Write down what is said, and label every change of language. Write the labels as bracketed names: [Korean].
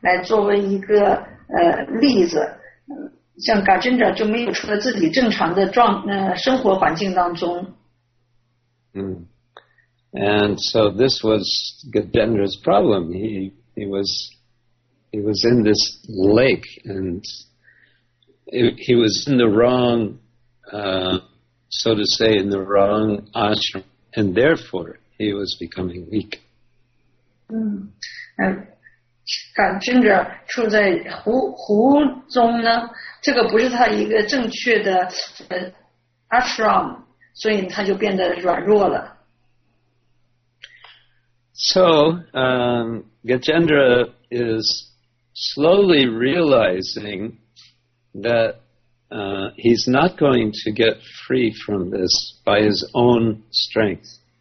[Chinese] 是帕帕德就用嘎真者来作为一个例子。像嘎真者就没有出了自己正常的生活环境当中。 [English] And so this was Gajendra's problem. He was in this lake, and he was in the wrong, so to say, in the wrong ashram, and therefore he was becoming weak. [Chinese] 甘真者处在湖中呢，这个不是他一个正确的 ashram， 所以他就变得软弱了。 [English] So Gajendra is slowly realizing that he's not going to get free from this by his own strength.